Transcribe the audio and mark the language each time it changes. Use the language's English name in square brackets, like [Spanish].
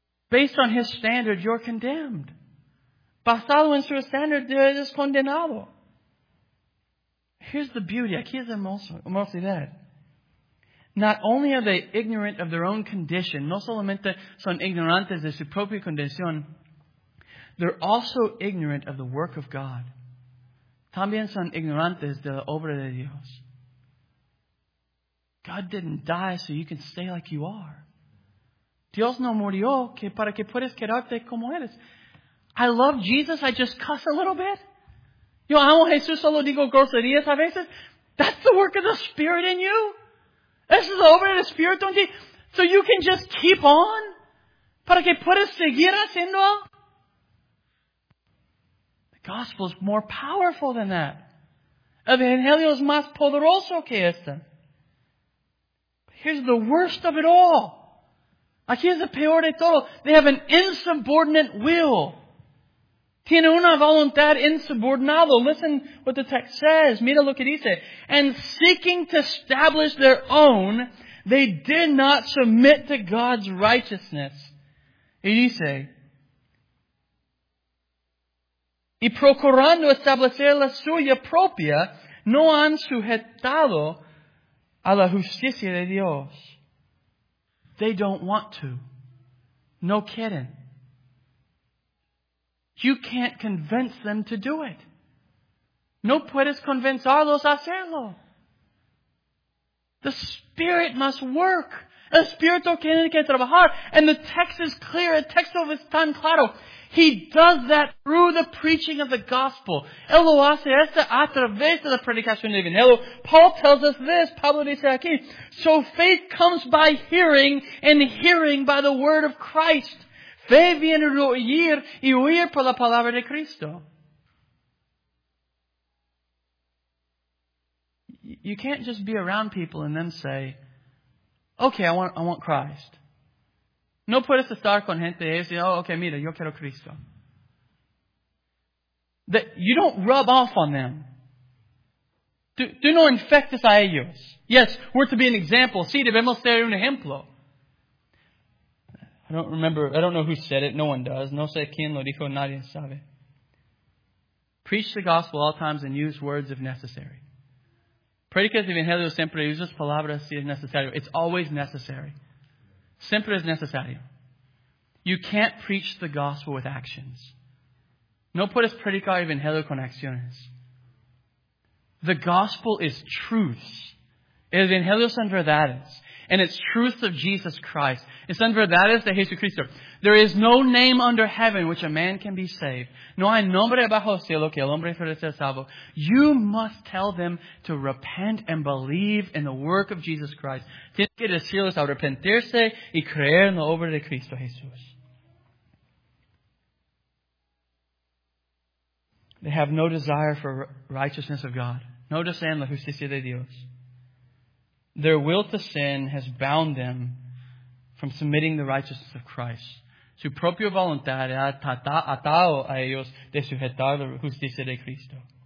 [English] Based on his standard, you're condemned. [Spanish] Basado en su standard, eres condenado. [English] Here's the beauty. [Spanish] Aquí es hermoso that. [English] Not only are they ignorant of their own condition, [Spanish] no solamente son ignorantes de su propia condición, [English] they're also ignorant of the work of God. [Spanish] También son ignorantes de la obra de Dios. [English] God didn't die so you can stay like you are. [Spanish] Dios no murió que para que puedas quedarte como eres. [English] I love Jesus, I just cuss a little bit. [Spanish] Yo amo Jesús, solo digo groserías a veces. [English] That's the work of the Spirit in you. This is the [Spanish] obra del Espíritu en ti. [English] So you can just keep on? [Spanish] Para que puedas seguir haciendo? [English] The gospel is more powerful than that. [Spanish] El Evangelio es más poderoso que este. [English] Here's the worst of it all. [Spanish] Aquí es el peor de todo. [English] They have an insubordinate will. [Spanish] Tiene una voluntad insubordinado. [English] Listen what the text says. [Spanish] Mira lo que dice. [English] And seeking to establish their own, they did not submit to God's righteousness. [Spanish] Y dice, y procurando establecer la suya propia, no han sujetado a la justicia de Dios. [English] They don't want to. No kidding. You can't convince them to do it. [Spanish] No puedes convencerlos a hacerlo. [English] The Spirit must work. [Spanish] El Espíritu tiene que trabajar. [English] And the text is clear. [Spanish] El texto es tan claro. [English] He does that through the preaching of the gospel. [Spanish] Él lo hace esto a través de la predicación del Evangelio. [English] Paul tells us this, [Spanish] Pablo dice aquí, [English] so faith comes by hearing, and hearing by the word of Christ. [Spanish] fe viene de oír y oír por la palabra de Cristo. [English] You can't just be around people and then say, okay, I want Christ. [Spanish] No puedes estar con gente y decir, oh, okay, mira, yo quiero Cristo. [English] That you don't rub off on them. [Spanish] Tú no infectas a ellos. [English] Yes, we're to be an example. [Spanish] Sí, debemos ser un ejemplo. [English] I don't know who said it. No one does. [Spanish] No sé quién lo dijo. Nadie sabe. [English] Preach the gospel all times and use words if necessary. [Spanish] Predica el evangelio siempre. Usas palabras si es necesario. [English] It's always necessary. [Spanish] Siempre es necesario. [English] You can't preach the gospel with actions. [Spanish] No puedes predicar el evangelio con acciones. [English] The gospel is truth. [Spanish] El evangelio son verdades. [English] And it's truth of Jesus Christ. It's under that is the Jesucristo. There is no name under heaven which a man can be saved. [Spanish] No hay nombre bajo cielo que el hombre pueda ser salvo. [English] You must tell them to repent and believe in the work of Jesus Christ. [Spanish] Tienes que decirles arrepentirse y creer en la obra de Cristo Jesús. [English] They have no desire for righteousness of God. [Spanish] No desean la justicia de Dios. [English] Their will to sin has bound them from submitting the righteousness of Christ. [Spanish] Su propia voluntad ha atado a ellos de sujetar la justicia de Cristo.